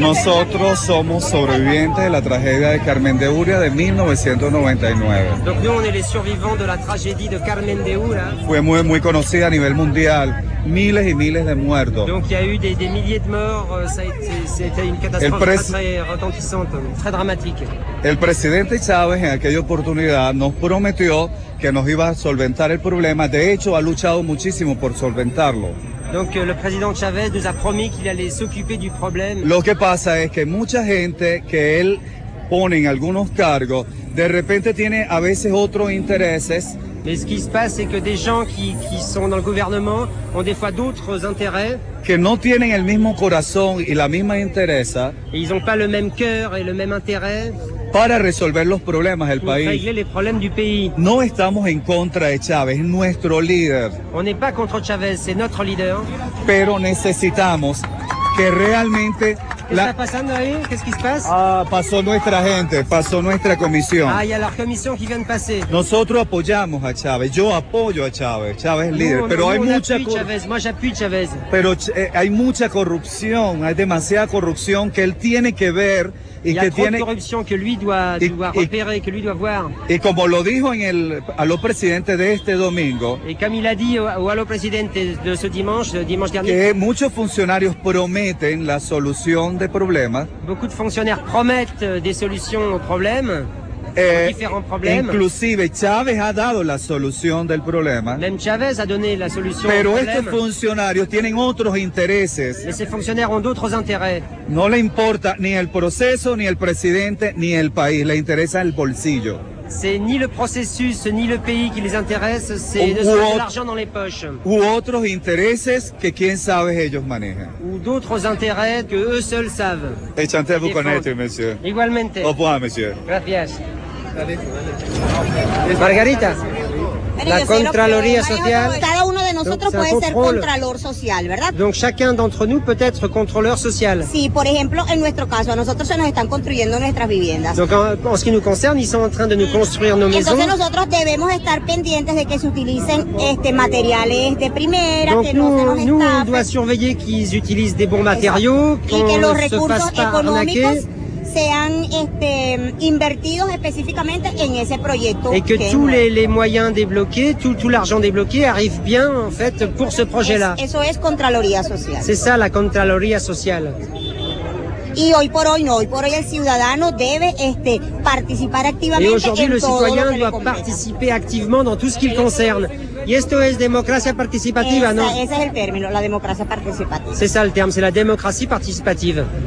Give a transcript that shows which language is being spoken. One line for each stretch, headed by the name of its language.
Spanish: Nosotros somos sobrevivientes de la tragedia de Carmen de Uria de 1999.
French: Donc nous, on est les survivants de la tragédie de Carmen de Uria.
Spanish: Fue muy, muy conocida a nivel mundial. Miles y miles de muertos.
French: Donc il y a eu des milliers de morts. C'était une catastrophe très retentissante, très dramatique.
Spanish: El presidente Chávez, en aquella oportunidad, nos prometió que nos iba a solventar el problema. De hecho, ha luchado muchísimo por solventarlo.
French: Donc le président Chávez nous a promis qu'il allait s'occuper du problème.
Spanish: Lo que pasa es que mucha gente que él pone en algunos cargos, de repente tiene a veces otros intereses.
French: Mais ce qui se passe, c'est que des gens qui sont dans le gouvernement ont des fois d'autres intérêts.
Spanish: Que no tienen el mismo corazón y la misma interés.
French: Ils n'ont pas le même cœur et le même intérêt.
Spanish: Para resolver los problemas del país.
French: Régler les problèmes du pays.
Spanish: No estamos en contra de Chávez, nuestro líder.
French: On n'est pas contre Chávez, c'est notre leader.
Spanish: Pero necesitamos que realmente. ¿Qué está pasando ahí? ¿Qué se pasa? Ah, pasó nuestra gente, pasó nuestra comisión. Ah, y a la comisión que viene a pasar. Nosotros apoyamos a Chávez, yo apoyo a Chávez, Chávez es líder. Pero hay mucha corrupción. Yo apoyo a Chávez. Pero hay mucha corrupción, hay demasiada corrupción que él tiene que ver.
French: Il y a trop de corruption que lui doit repérer, que lui doit voir. Et comme
Spanish: lo dijo en el Allo Presidente de este domingo.
French: Et comme il a dit au Allo Presidente de ce dimanche dernier.
Spanish: Que muchos funcionarios prometen la solución de problemas.
French: Beaucoup de fonctionnaires promettent des solutions aux problèmes. Différents problèmes.
Spanish: Inclusive Chávez ha dado la solución del problema.
French: Même Chávez a donné la solution.
Spanish: Pero estos funcionarios tienen otros intereses.
French: Mais ces fonctionnaires ont d'autres intérêts.
Spanish: No le importa ni el proceso, ni el presidente, ni el país. Le interesa el bolsillo.
French: C'est ni le processus, ni le pays qui les intéresse, c'est de se mettre l'argent dans les poches.
Spanish: U otros intereses que quién sabe ellos manejan.
French: Ou d'autres intérêts que eux seuls savent. Enchanté vous connaître, monsieur.
Spanish: Igualmente.
French: Au revoir, monsieur.
Spanish: Gracias. Margarita, la Contraloría Social. Cada uno de nosotros. nosotros puede ser contralor social, ¿verdad?
French: Donc chacun d'entre nous peut être contrôleur social.
Spanish: Sí, por ejemplo, en nuestro caso, a nosotros se nos están construyendo nuestras viviendas.
French: Donc en ce qui nous concerne, ils sont en train de nous construire nos maisons.
Spanish: Entonces nosotros debemos estar pendientes de que se utilicen materiales de primera,
French: donc,
Spanish: que no se nos estafen.
French: Nous, on doit surveiller qu'ils utilisent des bons matériaux,
Spanish: que los recursos económicos sean invertidos específicamente en ese proyecto.
French: Et que tous les moyens débloqués, tout l'argent débloqué arrive bien en fait pour ce projet-là.
Spanish: Eso es contraloría social.
French: C'est ça la contraloría social.
Spanish: Y hoy por hoy el ciudadano debe participar activamente en todo.
French: Et aujourd'hui le citoyen doit participer activement dans tout ce qui le concerne.
Spanish: Y esto es democracia participativa, ¿no? Ese es el término, la democracia participativa.
French: C'est ça le terme, c'est la démocratie participative.